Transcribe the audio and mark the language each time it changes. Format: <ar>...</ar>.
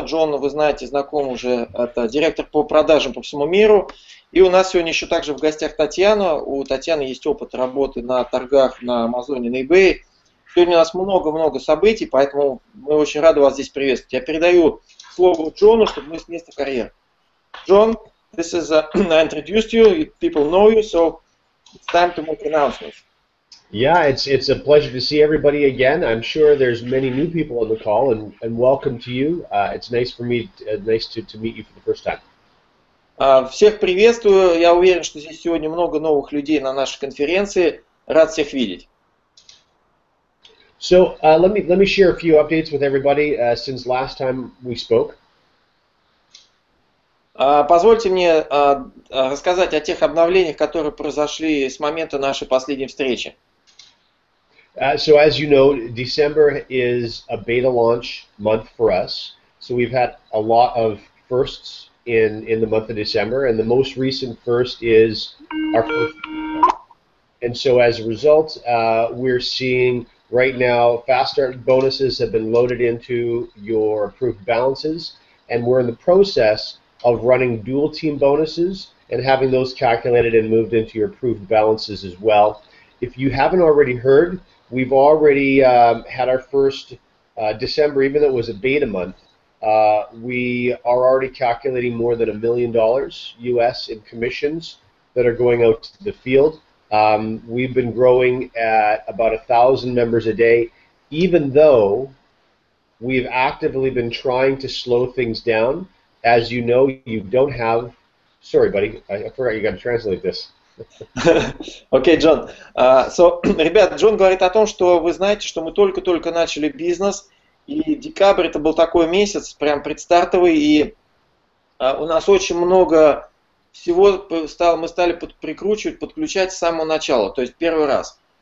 <ru>Джон, вы знаете, знаком уже, это директор по продажам по всему миру. И у нас сегодня еще также в гостях Татьяна. У Татьяны есть опыт работы на торгах на Амазоне, на eBay. Сегодня у нас много-много событий, поэтому мы очень рады вас здесь приветствовать. Я передаю слово Джону, чтобы мы с места карьеры.</ru> <en>Джон, this is I introduced you, people know you, so it's time to make announcements. Yeah, it's a pleasure to see everybody again. I'm sure there's many new people on the call, and welcome to you. It's nice for me, nice to meet you for the first time.</en> <ru>Всех приветствую. Я уверен, что здесь сегодня много новых людей на нашей конференции. Рад всех видеть.</ru> <en>So let me share a few updates with everybody since last time we spoke.</en> <ru>Позвольте мне рассказать о тех обновлениях, которые произошли с момента нашей последней встречи.</ru> <en>So as you know, December is a beta launch month for us. So we've had a lot of firsts in the month of December, and the most recent first is our first. And so as a result, we're seeing right now, fast start bonuses have been loaded into your approved balances, and we're in the process of running dual team bonuses and having those calculated and moved into your approved balances as well. If you haven't already heard, we've already had our first December, even though it was a beta month, we are already calculating more than $1 million US in commissions that are going out to the field. We've been growing at about 1,000 members a day, even though we've actively been trying to slow things down. As you know, you don't have... Sorry, buddy, I forgot you got to translate this. Okay, John.</en> <ru>Ребят, Джон говорит о том, что вы знаете, что мы только-только начали бизнес, и декабрь это был такой месяц, прям предстартовый, и у нас очень много... Всего мы стали прикручивать, подключать с самого начала, то есть первый раз.</ru>